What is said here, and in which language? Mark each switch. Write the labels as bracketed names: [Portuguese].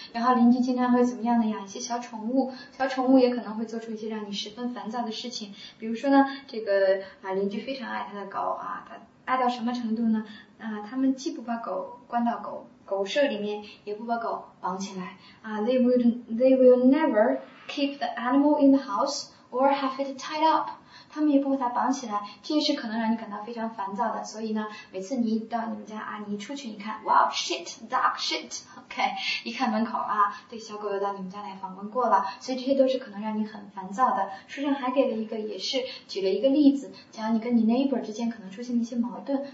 [Chinese] 然后邻居经常会怎么样呢？养一些小宠物，小宠物也可能会做出一些让你十分烦躁的事情。比如说呢，这个啊，邻居非常爱他的狗啊，他爱到什么程度呢？啊，他们既不把狗关到狗舍里面，也不把狗绑起来啊。 [English] They will never keep the animal in the house or have it tied up. [Chinese] 他们也不把它绑起来，这也是可能让你感到非常烦躁的。所以呢，每次你到你们家啊，你一出去，你看，哇 ，shit， dog shit， OK， 一看门口啊，这小狗又到你们家来访问过了，所以这些都是可能让你很烦躁的。书上还给了一个，也是举了一个例子，讲你跟你 neighbor 之间可能出现一些矛盾。